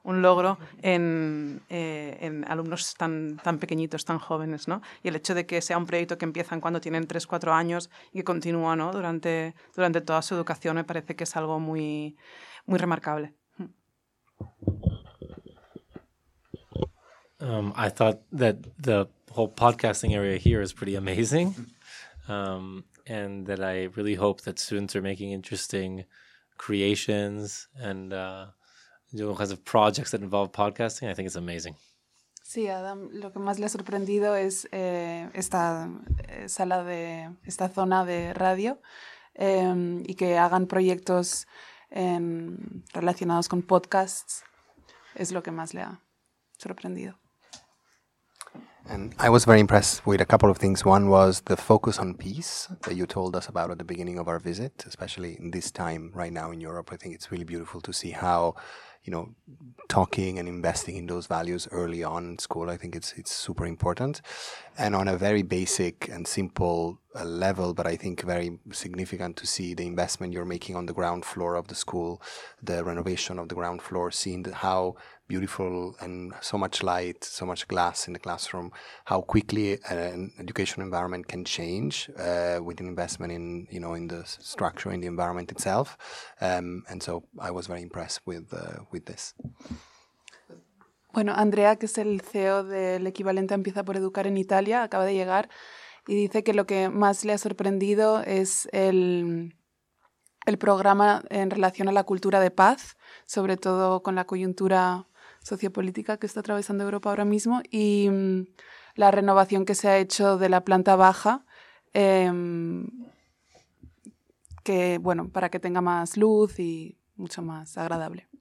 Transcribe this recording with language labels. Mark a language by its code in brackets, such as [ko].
[es] Un logro en alumnos tan, tan pequeñitos, tan jóvenes, ¿no? Y el hecho de que sea un proyecto que empiezan cuando tienen 3-4 años y que continúa, ¿no?, durante toda su educación, me parece que es algo muy, muy remarcable. [en] I thought that the whole podcasting area here is pretty amazing. And that I really hope that students are making interesting creations and doing kinds of projects that involve podcasting. I think it's amazing. [es] Sí, Adam, lo que más le ha sorprendido es esta sala de esta zona de radio y que hagan proyectos relacionados con podcasts es lo que más le ha sorprendido. [en] And I was very impressed with a couple of things. One was the focus on peace that you told us about at the beginning of our visit, especially in this time right now in Europe. I think it's really beautiful to see how, you know, talking and investing in those values early on in school, I think it's super important. And on a very basic and simple level, but I think very significant, to see the investment you're making on the ground floor of the school, the renovation of the ground floor, seeing the, how beautiful and so much light, so much glass in the classroom, how quickly an educational environment can change with an investment in, you know, in the structure, in the environment itself. And so I was very impressed with this. [es] Bueno, Andrea, que es el CEO del equivalente Empieza por Educar en Italia, acaba de llegar y dice que lo que más le ha sorprendido es el programa en relación a la cultura de paz, sobre todo con la coyuntura sociopolítica que está atravesando Europa ahora mismo y la renovación que se ha hecho de la planta baja, que, bueno, para que tenga más luz y mucho más agradable.